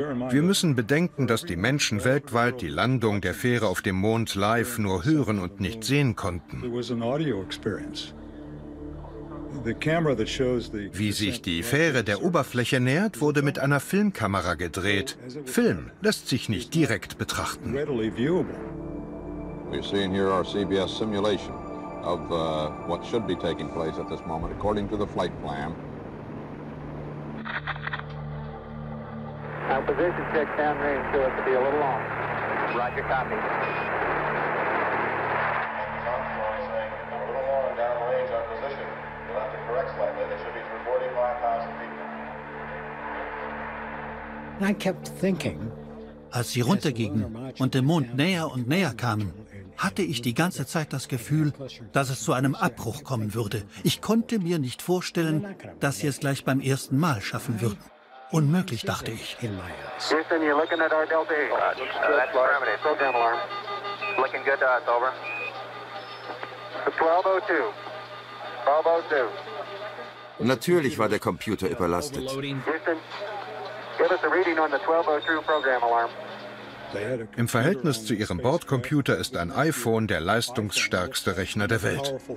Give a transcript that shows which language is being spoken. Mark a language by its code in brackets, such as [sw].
[de] Wir müssen bedenken, dass die Menschen weltweit die Landung der Fähre auf dem Mond live nur hören und nicht sehen konnten. Wie sich die Fähre der Oberfläche nähert, wurde mit einer Filmkamera gedreht. Film lässt sich nicht direkt betrachten. [en] We've seen here our CBS simulation of what should be taking place at this moment, according to the flight plan. Now, position check downrange to us to be a little long. Roger, copy. I kept thinking, [de] als sie runtergingen und dem Mond näher und näher kamen, hatte ich die ganze Zeit das Gefühl, dass es zu einem Abbruch kommen würde. Ich konnte mir nicht vorstellen, dass sie es gleich beim ersten Mal schaffen würden. Unmöglich, dachte ich. [en] Houston, you're looking at our Delta Eagle. That's primitive. Still down alarm. Looking good to us, over. 1202. 1202. [de] Natürlich war der Computer überlastet. [en] Houston, give us a reading on the 1202 program alarm. [de] Im Verhältnis zu ihrem Bordcomputer ist ein iPhone der leistungsstärkste Rechner der Welt.